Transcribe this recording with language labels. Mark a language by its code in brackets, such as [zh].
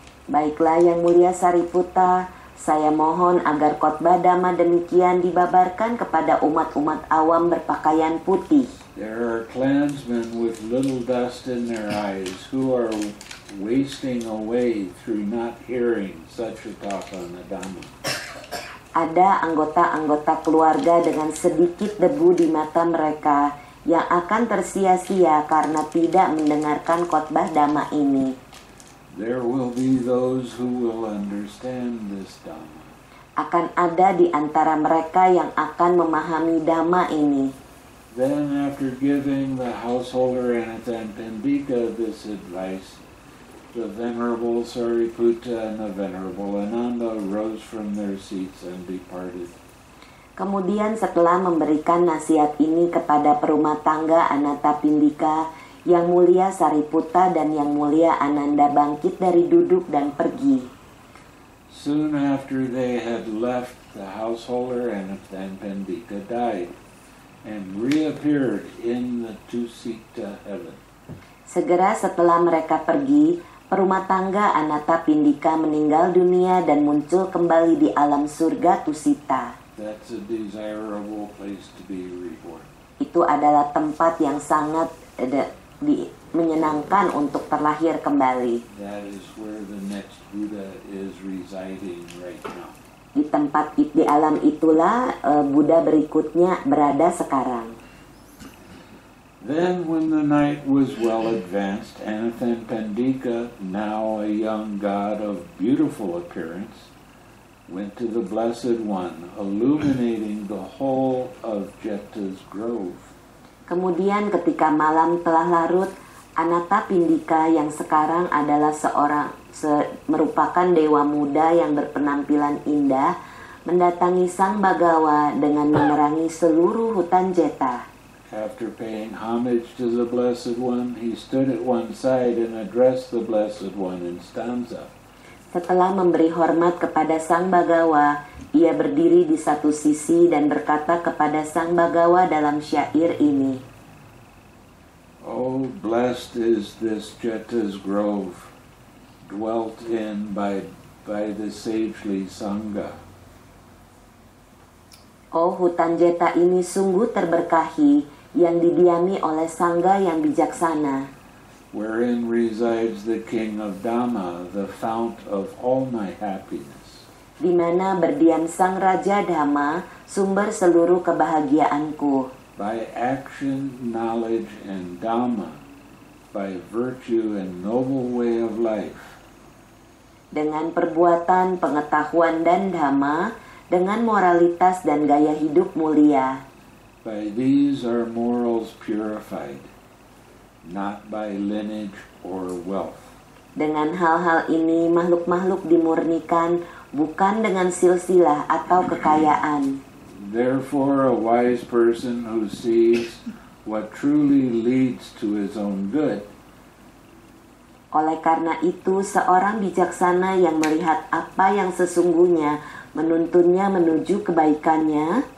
[id] Baiklah yang mulia Sariputta, saya mohon agar khotbah dhamma demikian dibabarkan kepada umat-umat awam berpakaian putih. [en] There are clansmen with little dust in their eyes who are wasting away through not hearing such a talk on the Dhamma. [id] Ada anggota-anggota keluarga dengan sedikit debu di mata mereka yang akan tersia-sia karena tidak mendengarkan khotbah Dhamma ini. [en] There will be those who will understand this Dhamma. [id] Akan ada di antara mereka yang akan memahami Dhamma ini. [en] Then after giving the householder Anatta and Pindika this advice, the venerable Sariputta and the venerable Ananda rose from their seats and departed. [id] Kemudian setelah memberikan nasihat ini kepada perumah tangga Anatta Pindika, yang mulia Sariputta dan yang mulia Ananda bangkit dari duduk dan pergi. [en] Soon after they had left, the householder Anatta and Pindika died and reappeared in the Tusita heaven. [id] Segera setelah mereka pergi, perumah tangga Anatta Pindika meninggal dunia dan muncul kembali di alam surga Tusita. [en] That's a desirable place to be reborn. [id] Itu adalah tempat yang sangat menyenangkan untuk terlahir kembali. [en] That is where the next Buddha is residing right now. [id] Di tempat di alam itulah Buddha berikutnya berada sekarang. [en] Then when the night was well advanced, Anatta and Pindika, now a young god of beautiful appearance, went to the Blessed One, illuminating the whole of Jetta's grove. [id] Kemudian ketika malam telah larut, Anatta Pindika yang sekarang adalah seorang merupakan dewa muda yang berpenampilan indah mendatangi Sang Bhagawa dengan menerangi seluruh hutan Jeta. [en] After paying homage to the Blessed One, he stood at one side and addressed the Blessed One in stanza. [id] Setelah memberi hormat kepada Sang Bhagawa, ia berdiri di satu sisi dan berkata kepada Sang Bhagawa dalam syair ini. [en] Oh, blessed is this Jeta's grove, dwelt in by the sagely Sangha. [id] Oh, hutan Jeta ini sungguh terberkahi yang didiami oleh Sangha yang bijaksana. [en] Wherein resides the King of Dhamma, the fount of all my happiness. [id] Di mana berdiam Sang Raja Dhamma, sumber seluruh kebahagiaanku. [en] By action, knowledge, and Dhamma, by virtue and noble way of life. [id] Dengan perbuatan, pengetahuan, dan dhamma, dengan moralitas dan gaya hidup mulia. [en] By these are morals purified, not by lineage or wealth. [id] Dengan hal-hal ini, makhluk-makhluk dimurnikan, bukan dengan silsilah atau kekayaan. [en] Therefore, a wise person who sees what truly leads to his own good. [id] Oleh karena itu, seorang bijaksana yang melihat apa yang sesungguhnya menuntunnya menuju kebaikannya